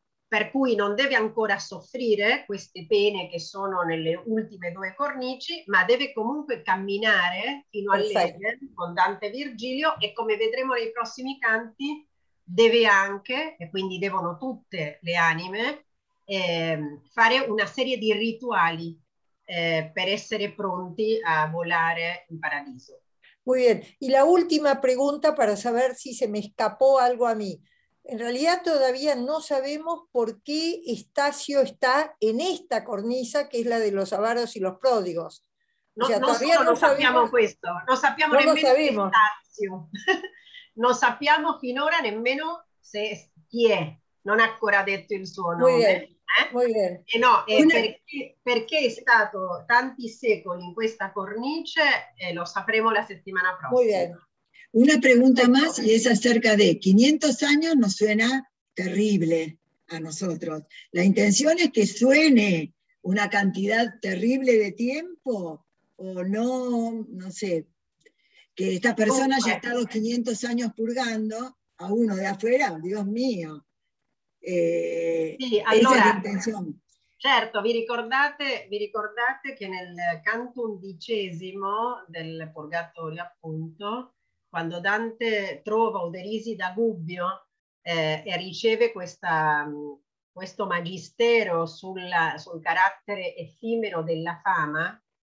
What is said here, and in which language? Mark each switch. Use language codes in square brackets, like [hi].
[it] per cui non deve ancora soffrire queste pene che sono nelle ultime due cornici, ma deve comunque camminare fino all'Eden con Dante e Virgilio, e come vedremo nei prossimi canti, deve anche, e quindi devono tutte le anime, fare una serie di rituali per essere pronti a volare in paradiso. [es] Muy bien, y la última pregunta para saber si se me escapó algo a mí. En realidad todavía no sabemos por qué Estacio está en esta cornisa, que es la de los avaros y los pródigos. No, o sea, todavía no sabemos esto, no sabemos [it] nemmeno [es] Estacio. No sabemos [it] finora nemmeno se es quién, no ha ancora detto il suo nome. [es] Muy bien. Muy bien. [it] Perché è stato tanti secoli in questa cornice, lo sapremo la settimana prossima. [es] Muy bien. Una pregunta más y es acerca de 500 años, nos suena terrible a nosotros. ¿La intención es que suene una cantidad terrible de tiempo o no? No sé, que esta persona haya estado 500 años purgando a uno de afuera, Dios mío. [it] Sì, allora, certo, vi ricordate che nel canto undicesimo del Purgatorio, appunto, quando Dante trova Uderisi da Gubbio e riceve questo magistero sul carattere effimero della fama,